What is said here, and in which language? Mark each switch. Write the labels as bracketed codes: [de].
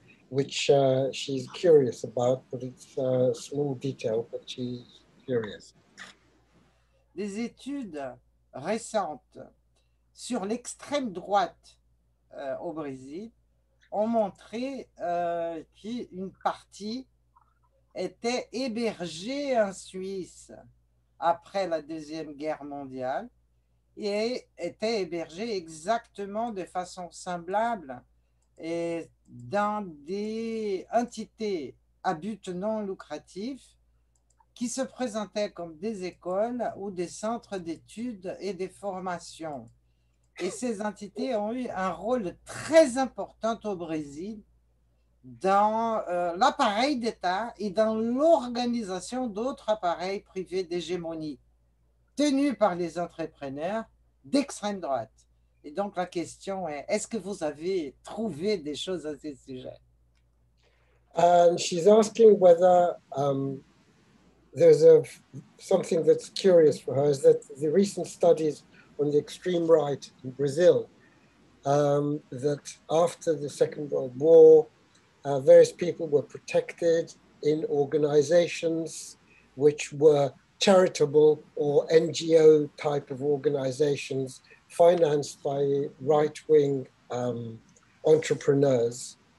[en] Which she's curious about, but it's a small detail, but she's curious. [fr] Des études récentes sur l'extrême droite au Brésil ont montré qu'une partie était hébergée en Suisse après la Deuxième Guerre mondiale et était hébergée exactement de façon semblable et dans des entités à but non lucratif qui se présentaient comme des écoles ou des centres d'études et des formations. Et ces entités ont eu un rôle très important au Brésil dans l'appareil d'État et dans l'organisation d'autres appareils privés d'hégémonie tenus par les entrepreneurs d'extrême droite. Et donc la question est, est-ce que vous avez trouvé des choses à ce sujet? [en] She's asking whether there's something that's curious for her, is that the recent studies on the extreme right in Brazil, that after the Second World War, various people were protected in organizations which were charitable or NGO type of organizations financed by right-wing entrepreneurs.